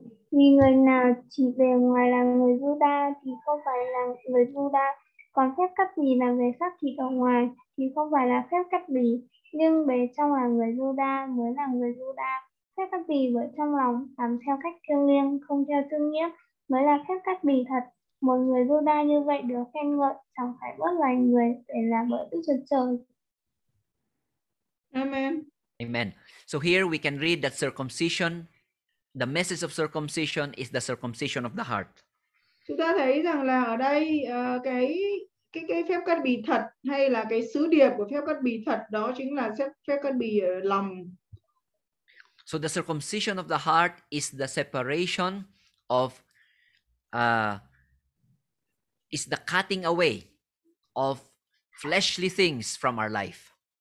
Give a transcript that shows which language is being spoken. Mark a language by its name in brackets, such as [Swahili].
[Vietnamese] Vì người nào chỉ về ngoài là người Giu-đa thì không phải là người Giu-đa, còn phép cắt bì là về xác thịt ở ngoài thì không phải là phép cắt bì, nhưng bề trong là người Giu-đa mới là người Giu-đa. Phép cắt bì bởi trong lòng làm theo cách thiêng liêng, không theo thương nghiệp, mới là phép cắt bì thật. Một người Giu-đa như vậy được khen ngợi, chẳng phải bớt loài người để làm bởi Đức Chúa Trời. Amen. Amen. [English] So here we can read that circumcision, the message of circumcision is the circumcision of the heart. [Vietnamese] Chúng ta thấy rằng là ở đây cái phép cắt bì thật hay là cái sứ điệp của phép cắt bì thật đó chính là phép cắt bì lòng. [English] So the circumcision of the heart is the separation of is the cutting away of fleshly things from our life.